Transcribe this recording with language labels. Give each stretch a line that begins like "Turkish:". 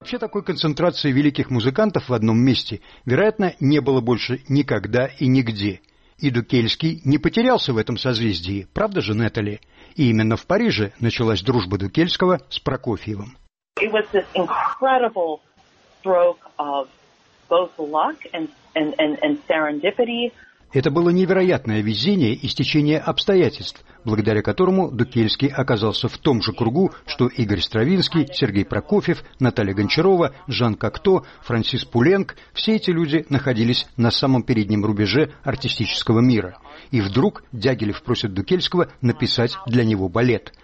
Russian: Такой концентрации великих музыкантов в одном месте, вероятно, не было больше никогда и нигде. И Дукельский не потерялся в этом созвездии, правда же, Нетали? И именно в Париже началась дружба Дукельского с Прокофьевым.
English: It was this incredible stroke of both luck and serendipity.
Russian: Это было невероятное везение и стечение обстоятельств, благодаря которому Дукельский оказался в том же кругу, что Игорь Стравинский, Сергей Прокофьев, Наталья Гончарова, Жан Кокто, Франсис Пуленк. Все эти люди находились на самом переднем рубеже артистического мира. И вдруг Дягилев просит Дукельского написать для него балет.